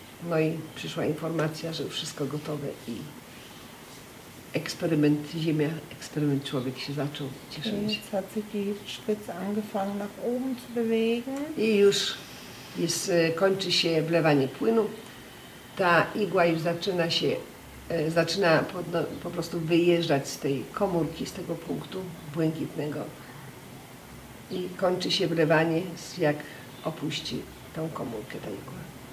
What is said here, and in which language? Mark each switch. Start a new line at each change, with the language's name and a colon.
Polish: No i przyszła informacja, że wszystko gotowe i eksperyment Ziemia, eksperyment człowiek się zaczął. Cieszę się.
German: Jetzt hat sich die Spitze angefangen nach oben zu bewegen.
Polish: I już kończy się wlewanie płynu. Ta igła już zaczyna po prostu wyjeżdżać z tej komórki, z tego punktu błękitnego. I kończy się wlewanie, jak opuści tą komórkę, ta igła.